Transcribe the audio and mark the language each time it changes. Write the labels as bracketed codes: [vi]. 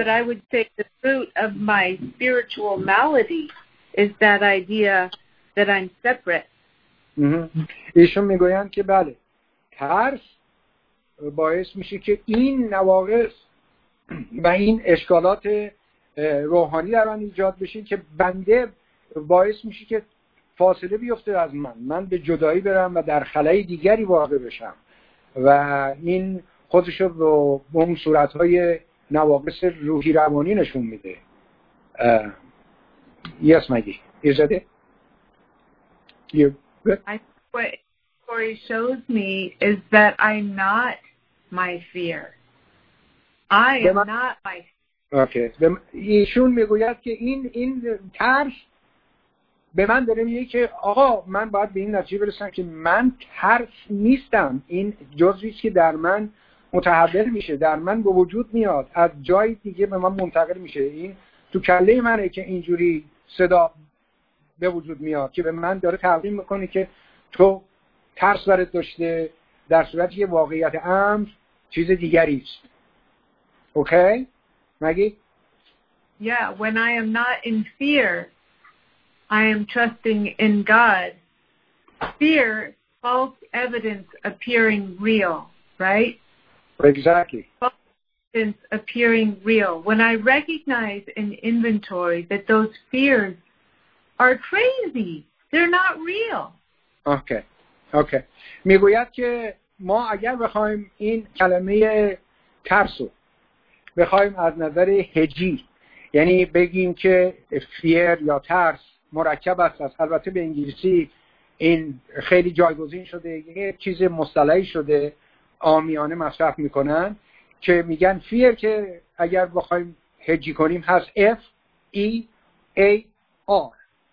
[en] But I would say the root of my spiritual malady is that idea that I'm separate. [fa] ایشون میگویند که بله، ترس باعث میشه که این نواقص و این اشکالات روحانی در آن ایجاد بشه که بنده باعث میشه که فاصله بیفته از من به جدایی برم و در خلای دیگری واقع بشم و این خودشو به اون صورتهای نواقص روحی روانی نشون میده. [en] Yes, Maggie. Is that it? You're good? I think what Corey shows me is that I'm not my fear. I am not my fear. Okay. [fa] ایشون میگوید که این ترس به من داره میگه که آقا من باید به این نتیجه برسم که من ترس نیستم. این جزئی که در من متحول میشه، در من به وجود میاد، از جای دیگه به من منتقل میشه. این تو کله منه که اینجوری صدا به وجود میاد که به من داره تعلیم میکنه که تو ترس برات داشته، در صورتی که واقعیت امر چیز دیگری است. [en] Okay Maggie? Yeah, when I am not in fear I am trusting in God. Fear, false evidence appearing real, right? Exactly. False evidence appearing real. When I recognize in inventory that those fears are crazy, they're not real. Okay. [fa] میگوید که ما اگر بخوایم این کلمه ترسو بخوایم از نظر هجی، یعنی بگیم که fear یا ترس مرکب است، البته به انگلیسی این خیلی جایگزین شده، یه چیز مصطلحی شده عامیانه مصرف میکنن که میگن فیر که اگر بخوایم هجی کنیم هست F E A R.